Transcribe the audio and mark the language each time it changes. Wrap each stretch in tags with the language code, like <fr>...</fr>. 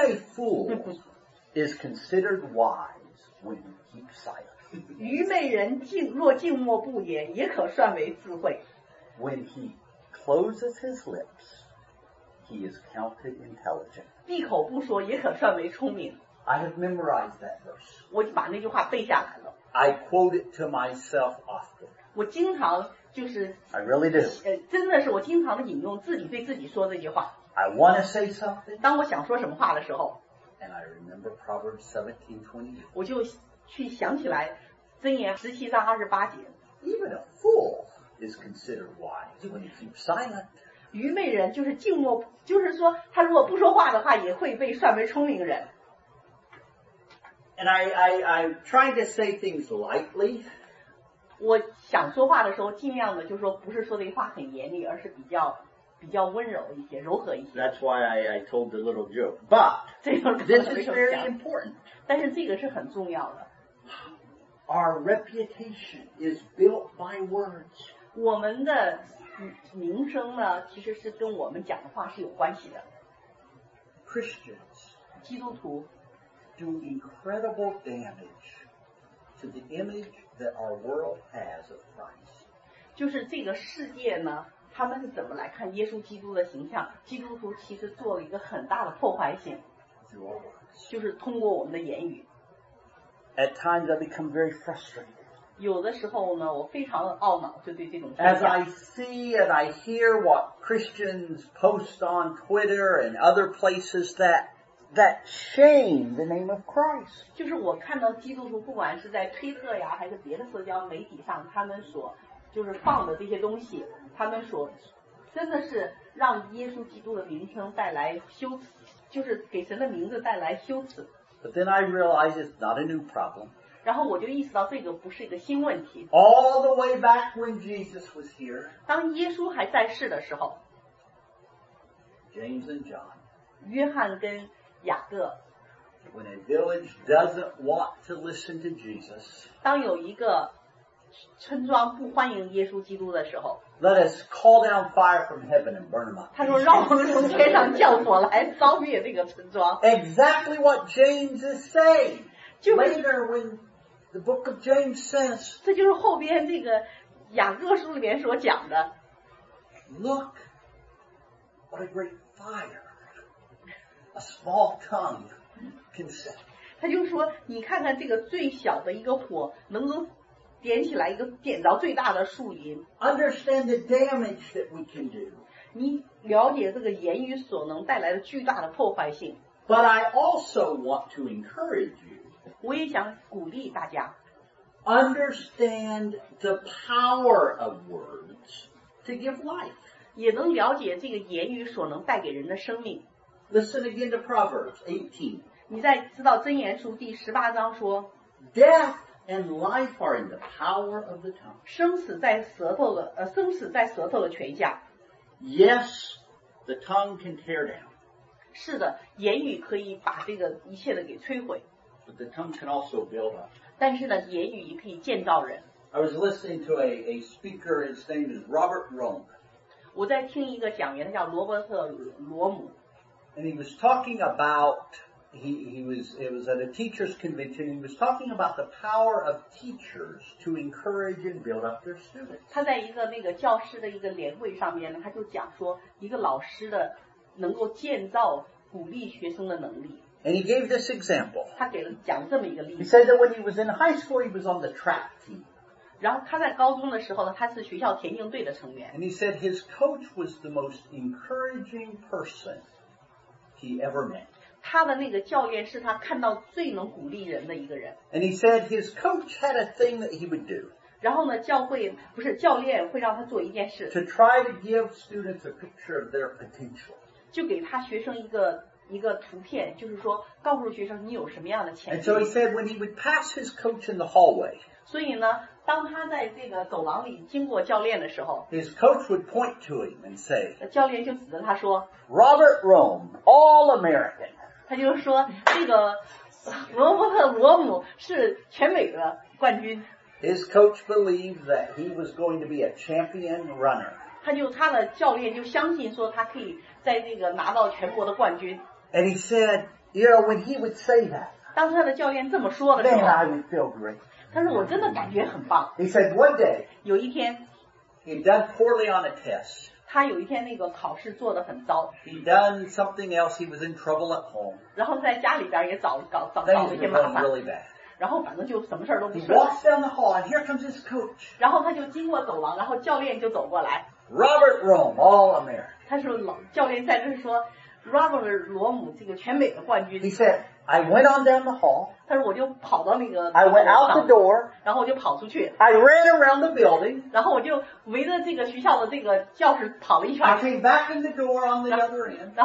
<en>a fool is considered wise when he keeps silent.</en> <zh>愚昧人静若静默不言，也可算为智慧。</zh> <en>When he closes his lips, he is counted intelligent.</en> <zh>闭口不说，也可算为聪明。</zh> <en>I have memorized that verse.</en> <zh>我就把那句话背下来了。</zh> <en>I quote it to myself often.</en> <zh>我经常就是</zh> <en>I really do.</en> <zh>真的是我经常引用自己对自己说这句话。</zh> <en>I want to say something.</en> <zh>当我想说什么话的时候。</zh> <en>And I remember Proverbs 17:28.</en> <zh>我就去想起来箴言17:28.</zh> <en>Even a fool is considered wise when he keeps silent.</en> <zh>愚昧人就是静默，就是说他如果不说话的话，也会被算为聪明人。</zh> <en>And I'm trying to say things lightly.</en> <zh>我想说话的时候，尽量的就说不是说这话很严厉，而是比较温柔一些，柔和一些。</zh> <en>That's why I told the little joke. But this is very important.</en> <zh>但是这个是很重要的。</zh> <en>Our reputation is built by words.</en> <zh>我们的名声呢，其实是跟我们讲的话是有关系的。</zh> <en>Christians.</en> <zh>基督徒。</zh> <en>Do incredible damage to the image that our world has of Christ.</en> <zh>就是这个世界呢，他们是怎么来看耶稣基督的形象？基督徒其实做了一个很大的破坏性。</zh> <en>Through our words.</en> <zh>就是通过我们的言语。</zh> <en>At times I become very frustrated.</en> <zh>有的时候呢，我非常的懊恼，就对这种。</zh> <en>As I see and I hear what Christians post on Twitter and other places that shame the name of Christ.</en> <zh>就是我看到基督徒不管是在推特呀还是别的社交媒体上他们所就是放的这些东西他们所真的是让耶稣基督的名称带来羞耻就是给神的名字带来羞耻</zh> <en>But then I realize it's not a new problem.</en> <zh>然后我就意识到这个不是一个新问题</zh> <en>All the way back when Jesus was here.</en> <zh>当耶稣还在世的时候</zh> <en>James and John.</en> <zh>约翰跟雅各</zh> <en>When a village doesn't want to listen to Jesus,</en> <zh>当有一个村庄不欢迎耶稣基督的时候</zh> <en>Let us call down fire from heaven and burn them up.</en> <zh>他说让我们从天上降火来烧灭这个村庄</zh> <en>Exactly what James is saying. Later when the book of James says,</en> <zh>这就是后边这个雅各书里面所讲的</zh> <en>Look, what a great fire. A small tongue can set.</en> <zh>他就说你看看这个最小的一个火能够点起来一个点着最大的树林。</zh> <en>Understand the damage that we can do.</en> <zh>你了解这个言语所能带来的巨大的破坏性。</zh> <en>But I also want to encourage you.</en> <zh>我也想鼓励大家。</zh> <en>Understand the power of words to give life.</en> <zh>也能了解这个言语所能带给人的生命。</zh> <en>Listen again to Proverbs 18.</en> <zh>你在知道箴言书第十八章说</zh> <en>Death and life are in the power of the tongue.</en> <zh>生死在舌头的权下。</zh> <en>Yes, the tongue can tear down.</en> <zh>是的，言语可以把这个一切的给摧毁。</zh> <en>But the tongue can also build up.</en> <zh>但是呢，言语也可以建造人。</zh> <en>I was listening to a speaker. His name is Robert Rome.</en> <zh>我在听一个讲员，他叫罗伯特·罗姆。</zh> <en>And he was talking about, it was at a teacher's convention, he was talking about the power of teachers to encourage and build up their students.</en> <zh>他在一个那个教师的一个联会上面呢，他就讲说一个老师的能够建造鼓励学生的能力。</zh> <en>And he gave this example.</en> <zh>他给了讲这么一个例子。</zh> <en>He said that when he was in high school, he was on the track team.</en> <zh>然后他在高中的时候呢，他是学校田径队的成员。</zh> <en>And he said his coach was the most encouraging person he ever met.</en> <zh>他的那个教练是他看到最能鼓励人的一个人。</zh> <en>And he said his coach had a thing that he would do.</en> <zh>然后呢，教练会让他做一件事。</zh> <en>To try to give students a picture of their potential.</en> <zh>就给他学生一个图片，就是说告诉学生你有什么样的潜力。</zh> <en>And so he said when he would pass his coach in the hallway.</en> <zh>所以呢，当他在这个走廊里经过教练的时候，</zh> <en>his coach would point to him and say.</en> <zh>教练就指着他说，</zh> <en>Robert Rome, All American.</en> <zh>他就说这个罗伯特罗姆是全美的冠军。</zh> <en>His coach believed that he was going to be a champion runner.</en> <zh>他的教练就相信说他可以在那个拿到全国的冠军。</zh> <en>And he said, you know, when he would say that,</en> <zh>当他的教练这么说的时候，</zh> <en>then I would feel great.</en> <zh>他说我真的感觉很棒。</zh> <en>He said one day,</en> <zh>有一天，</zh> <en>he done poorly on a test.</en> <zh>他有一天那个考试做得很糟。</zh> <en>He done something else, he was in trouble at home.</en> <zh>然后在家里边也找了一些麻烦。</zh> <en>Really bad.</en> <zh>然后反正就什么事儿都不说。</zh> <en>He walks down the hall, and here comes his coach.</en> <zh>然后他就经过走廊，然后教练就走过来。</zh> <en>Robert Rome, All American.</en> <zh>他说老教练在这说 ，Robert 罗姆这个全美的冠军。</zh> <en>He said, I went on down the hall.</en> <zh>他说我就跑到那个。</zh> <en>I went out the door.</en> <zh>然后我就跑出去。</zh> <en>I ran around the building.</en> <zh>然后我就围着这个学校的这个教室跑了一圈。</zh> <en>I came back in the door on the other end.</en>